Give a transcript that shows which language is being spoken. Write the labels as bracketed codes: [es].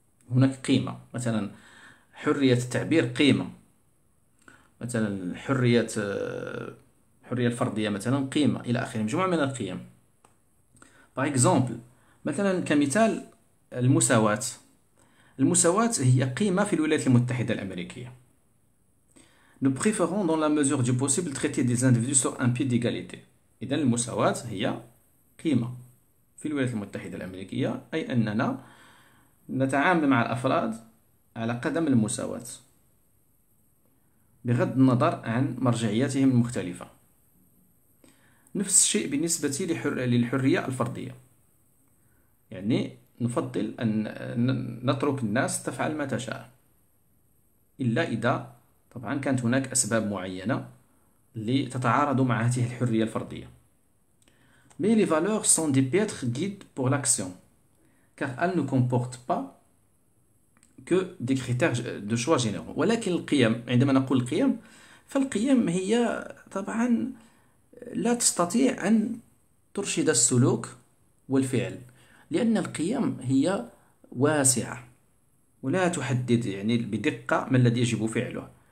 [ar] هناك قيمة مثلا حرية التعبير قيمة، مثلا الحرية الفردية مثلا قيمة إلى آخره، مجموعة من القيم. [fr] باغ إكزومبل [ar] مثلا كمثال المساواة. المساواة هي قيمة في الولايات المتحدة الأمريكية. [fr] Nous préférons, dans la mesure du possible, traiter des individus sur un pied d'égalité. [ar] إذا المساواة هي قيمة في الولايات المتحدة الأمريكية، أي أننا نتعامل مع الأفراد على قدم المساواة بغض النظر عن مرجعياتهم المختلفة. نفس الشيء بالنسبة للحرية الفردية، يعني نفضل أن نترك الناس تفعل ما تشاء إلا إذا طبعا كانت هناك أسباب معينة لتتعارض مع هذه الحرية الفردية. [fr] Mais les valeurs sont des piètres guides pour l'action, car elles ne comportent pas que des critères de choix généraux. [ar] ولكن القيم، عندما نقول القيم، فالقيم هي طبعا لا تستطيع أن ترشد السلوك والفعل، لأن القيم هي واسعة ولا تحدد يعني بدقة ما الذي يجب فعله.